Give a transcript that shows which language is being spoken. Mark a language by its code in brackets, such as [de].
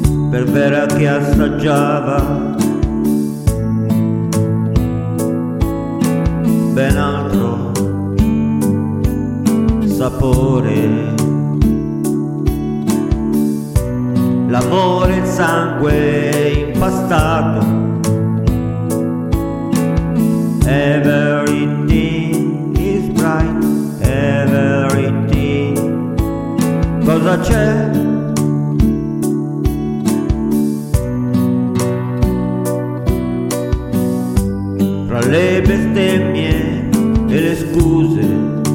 [it] per Vera che assaggiava ben altro sapore. L'amore, il sangue impastato. [en] Everything is bright, everything. [it] Cosa c'è tra le bestemmie e le scuse?